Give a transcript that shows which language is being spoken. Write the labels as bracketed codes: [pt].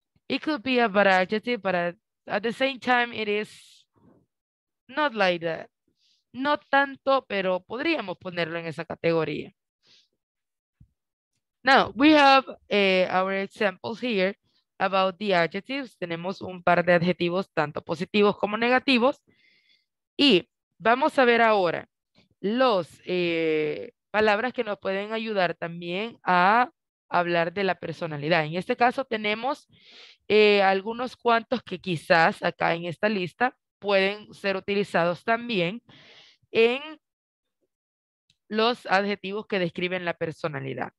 [en] It could be a bad adjective, but at the same time, it is not like that. [es] No tanto, pero podríamos ponerlo en esa categoría. [en] Now, we have our examples here about the adjectives. [es] Tenemos un par de adjetivos, tanto positivos como negativos. Y vamos a ver ahora las palabras que nos pueden ayudar también a hablar de la personalidad. En este caso, tenemos algunos cuantos que quizás acá en esta lista pueden ser utilizados también en los adjetivos que describen la personalidad.